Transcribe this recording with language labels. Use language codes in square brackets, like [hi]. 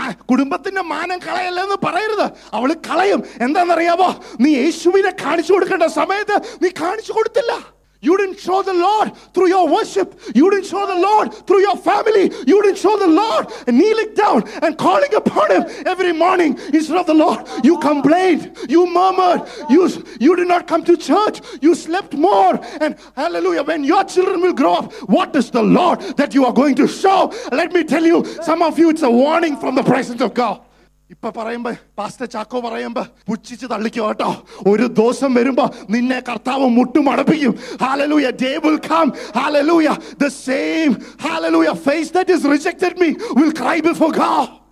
[ml] കുടുംബത്തിന്റെ മാനം കളയല്ല എന്ന് പറയരുത്. അവള് കളയും. എന്താണെന്നറിയാവോ? നീ യേശുവിനെ കാണിച്ചു കൊടുക്കേണ്ട സമയത്ത് നീ കാണിച്ചു കൊടുത്തില്ല. [en] You didn't show the Lord through your worship. You didn't show the Lord through your family. You didn't show the Lord kneeling down and calling upon him every morning instead of the Lord. You complained. You murmured. You did not come to church. You slept more. And hallelujah, when your children will grow up, what is the Lord that you are going to show? Let me tell you, some of you, it's a warning from the presence of God. [ml] ഇപ്പൊ പറയുമ്പോ pastor Chacko പറയുമ്പോ പുച്ഛിച്ച് തള്ളിക്കോ കേട്ടോ. ഒരു ദിവസം വരുമ്പോ നിന്നെ കർത്താവ് മുട്ടുമടപ്പിക്കും. [en] Hallelujah. Day will come. Hallelujah. The same hallelujah face that has rejected me will cry before God.